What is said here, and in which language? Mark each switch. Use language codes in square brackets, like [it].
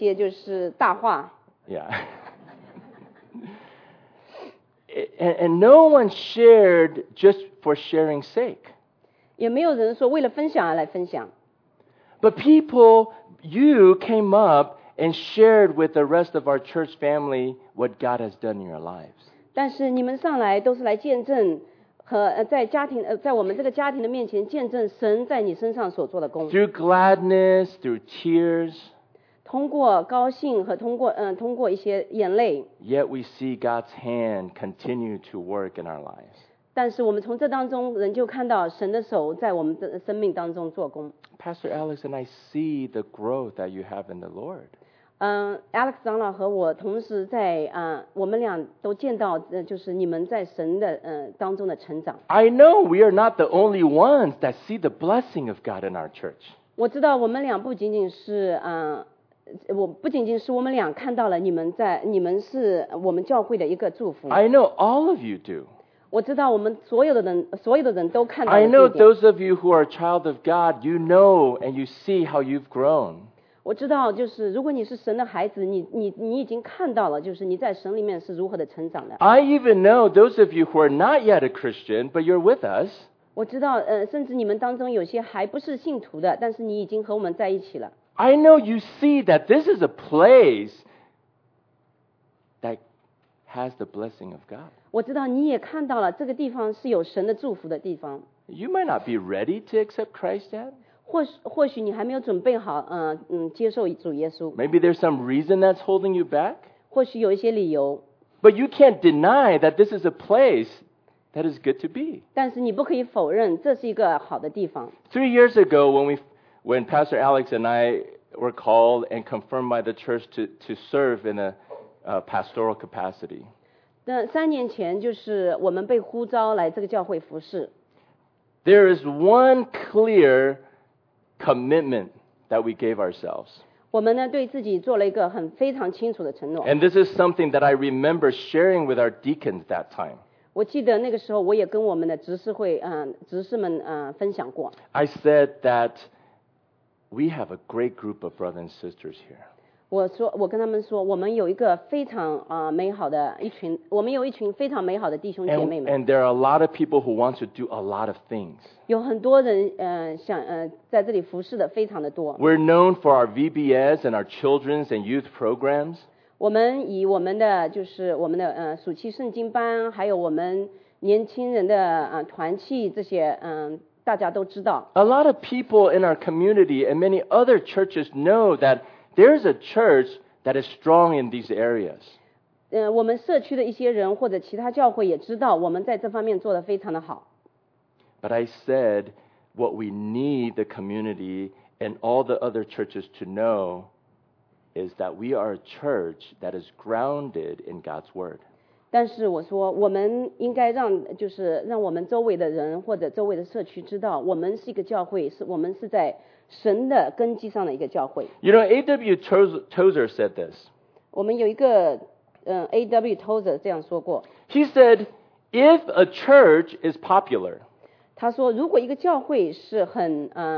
[zh] 没有人，没有人给一些好像很那个好高骛远的那种话语哈。没有人给任何一些就是大话。 [en] Yeah. And no one shared just for sharing's sake. [zh] 也没有人说为了分享而来分享。 [en] But people. You came up and shared with the rest of our church family what God has done in your lives. [zh] 但是你们上来都是来见证和在我们这个家庭的面前见证神在你身上所做的工。 [en] Through gladness, through tears. [zh] 通过高兴和通过一些眼泪。 [en] Yet we see God's hand continue to work in our lives. [zh] 但是我们从这当中人就看到神的手在我们的生命当中做工。 [en] Pastor Alex and I see the growth that you have in the Lord. [zh] Alex 长老和我同时在我们俩都见到就是你们在神的当中的成长。 [en] I know we are not the only ones that see the blessing of God in our church. [zh] 我知道我们俩不仅仅是我不仅仅是我们俩看到了你们在你们是我们教会的一个祝福。 [en] I know all of you do. [zh] 我知道我们所有的人所有的人都看到了。 [en] I know those of you who are a child of God, you know and you see how you've grown. [zh] 我知道就是如果你是神的孩子你已经看到了就是你在神里面是如何的成长的。 [en] I even know those of you who are not yet a Christian, but you're with us. [zh] 我知道甚至你们当中有些还不是信徒的但是你已经和我们在一起了。 [en] I know you see that this is a place that has the blessing of God. [zh] 我知道你也看到了这个地方是有神的祝福的地方。 [en] You might not be ready to accept Christ yet. [zh] 或许你还没有准备好接受主耶稣。 [en] Maybe there's some reason that's holding you back. [zh] 或许有一些理由。 [en] But you can't deny that this is a placeThat is good to be. [zh] 但是你不可以否认这是一个好的地方。 [en] 3 years ago, when Pastor Alex and I were called and confirmed by the church to serve in a pastoral capacity. [zh] 3年前就是我们被呼召来这个教会服事。 [en] There is one clear commitment that we gave ourselves. [zh] 我们呢对自己做了一个很非常清楚的承诺。 [en] And this is something that I remember sharing with our deacons that time. [zh] 我记得那个时候我也跟我们的执事会执事们分享过。 [en] I said that we have a great group of brothers and sisters here. [zh] 我跟他们说我们有一个非常美好的一群我们有一群非常美好的弟兄姐妹们。 [en] And there are a lot of people who want to do a lot of things. [zh] 有很多人想在这里服侍的非常的多。 [en] We're known for our VBS and our children's and youth programs. [zh] 我们以我们的就是我们的暑期圣经班还有我们年轻人的团契这些大家都知道。 [en] A lot of people in our community and many other churches know that there is a church that is strong in these areas. [zh] 我们社区的一些人或者其他教会也知道我们在这方面做得非常的好。 [en] But I said what we need the community and all the other churches to knowis that we are a church that is grounded in God's word. [zh] 但是我说我们应该让就是让我们周围的人或者周围的社区知道我们是一个教会是我们是在神的根基上的一个教会。 [en] You know, A.W. Tozer said this. [zh] 我们有一个A.W. Tozer 这样说过。 [en] He said, if a church is popular, [zh] 他说如果一个教会是很